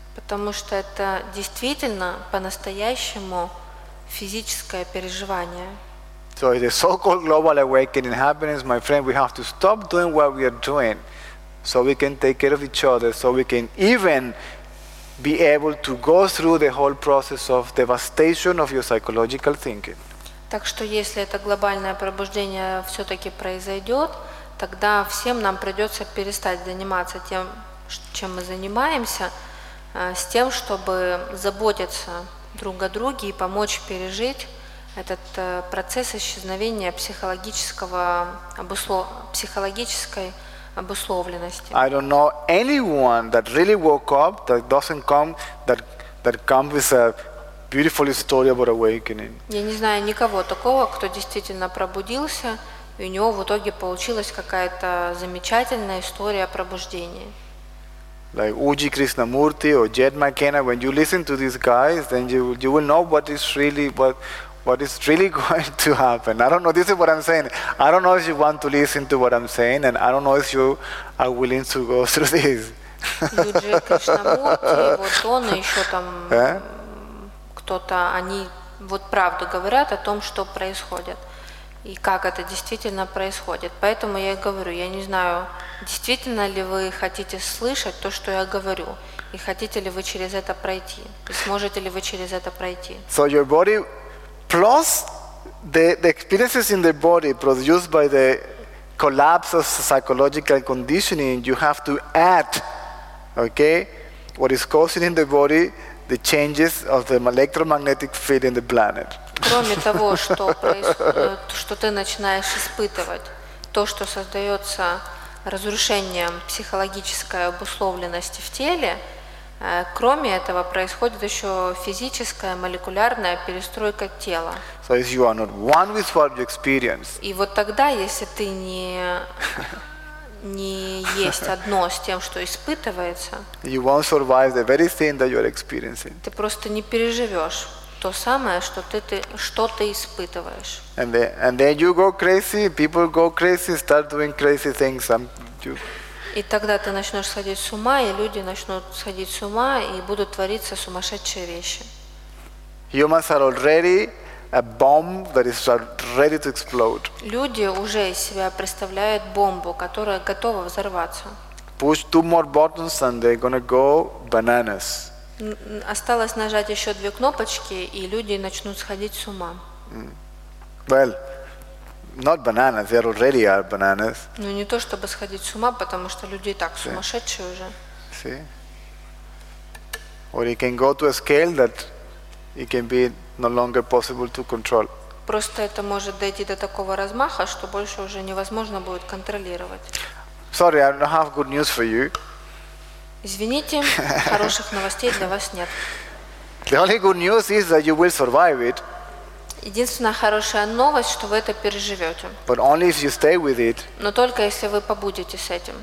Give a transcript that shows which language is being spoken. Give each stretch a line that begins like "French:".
Russian: Потому что это действительно по-настоящему физическое переживание.
English: So if the so-called global awakening happens, my friend, we have to stop doing what we are doing, so we can take care of each other, so we can even be able to go through the whole process of devastation of your psychological thinking.
Russian: Так что если это глобальное пробуждение все-таки произойдет, тогда всем нам придется перестать заниматься тем, чем мы занимаемся, с тем, чтобы заботиться друг о друге и помочь пережить этот процесс исчезновения психологической обусловленности.
English: I don't know anyone that really woke up that doesn't come that comes with a beautiful story about awakening.
Russian: Я не знаю никого такого, кто действительно пробудился, и у него в итоге получилась какая-то замечательная история пробуждения.
English: Like Uji Krishnamurti or Jed McKenna, when you listen to these guys, then you will know what is really going to happen. I don't know, this is what I'm saying. I don't know if you want to listen to what I'm saying, and I don't know if you are willing to go through this.
Russian: Uji Krishnamurti, вот он и еще там кто-то, они вот правду говорят о том, что происходит. И как это действительно происходит. Поэтому я и говорю, я не знаю, действительно ли вы хотите слышать то, что я говорю, и хотите ли вы через это пройти, и сможете ли вы через это пройти.
English: So your body, plus the experiences in the body produced by the collapse of psychological conditioning, you have to add, okay, what is causing in the body, the changes of the electromagnetic field in the planet.
Russian: Кроме того, что ты начинаешь испытывать, то, что создается разрушением психологической обусловленности в теле, кроме этого происходит еще физическая молекулярная перестройка тела.
English: So if you are not one with what you experience.
Russian: И вот тогда, если ты не есть одно с тем, что испытывается,
English: you won't survive the very thing that you are experiencing.
Russian: Ты просто не переживешь то самое, что ты испытываешь.
English: And then you go crazy, people go crazy, start doing crazy things.
Russian: И тогда ты начнешь сходить с ума, и люди начнут сходить с ума, и будут твориться сумасшедшие вещи.
English: Humans are already a bomb that is ready to explode.
Russian: Люди уже из себя представляют бомбу, которая готова взорваться.
English: Push two more buttons and they're gonna go bananas.
Russian: Осталось нажать еще две кнопочки, и люди начнут сходить с ума.
English: Well, not bananas, they already are bananas.
Russian: Ну не то чтобы сходить с ума, потому что люди и так сумасшедшие уже.
English: See? Or it can go to a scale that it can be no longer possible to control.
Russian: Просто это может дойти до такого размаха, что больше уже невозможно будет контролировать.
English: Sorry, I don't have good news for you.
Russian: Извините, хороших новостей для вас нет.
English: The only good news is that you will survive it.
Russian: Единственная хорошая новость, что вы это переживете.
English: But only if you stay with it.
Russian: Но только если вы побудете с этим.